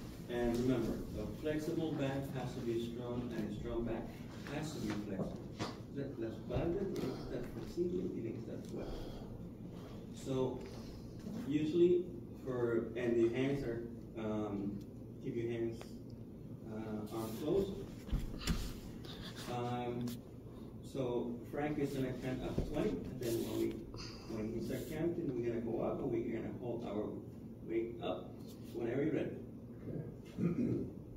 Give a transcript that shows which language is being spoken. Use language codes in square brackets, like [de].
[en] And remember, the flexible back has to be strong, and strong back has to be flexible. [es] Las bandas tienen que estar flexibles y tienen que estar fuertes. [en] So, usually, for and the hands are, keep your hands arms closed. So, Frank is going to count up 20, and then when he starts counting, we're going to go up, and we're going to hold our weight up whenever you're ready.